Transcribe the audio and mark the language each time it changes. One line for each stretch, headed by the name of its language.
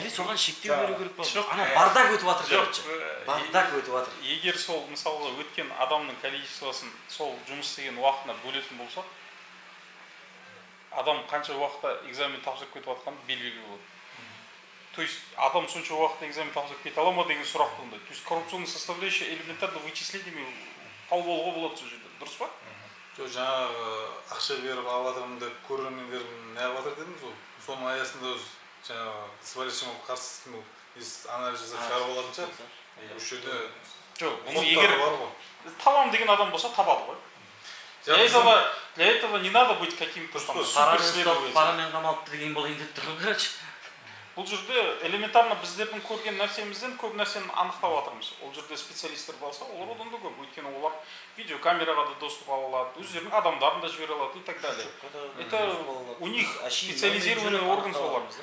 Kazakh: Или соған шектеу беру керек па? Жоқ, ана бардак өтіп жатыр. Бардак өтіп жатыр. Егер сол мысалға өткен адамның количествосын сол жұмыс істеген уақытына бөлетін болсақ, адам қанша уақытта экзамен тапсырып кетіп жатқанын белгілі болады. То есть адам сонша уақытта экзамен тапсырып кете ала ма деген сұрақ туындайды.
Russian: То есть коррупционный составляющая элементарно вычислить
Kazakh: тауып алуға болады сол жерде, дұрыс па? Жоқ, жаңағы ақша беріп алып жатырмын деп көрермендер не алып жатыр дедіңіз ғой. Соның аясында өз жаңағы сыбайласшыма қарсы іскімел анализ жасап шығарып алатын шығар. Осы жерде егер табамын деген адам болса табады ғой.
Russian: Для этого не надо быть каким-то суперследователем.
Kazakh: Парамен қамалыпты деген болайын деп тұр ғой, короче. Бұл жерде элементарно біздердің көрген нәрсемізден көп нәрсені анықтап жатырмыз. Ол жерде специалистер болса, олар одан да көп, өйткені олар видеокамераға да доступ ала алады, өздерінің адамдарын да жібере алады
Russian: и так далее. Это у них специализированный орган солар.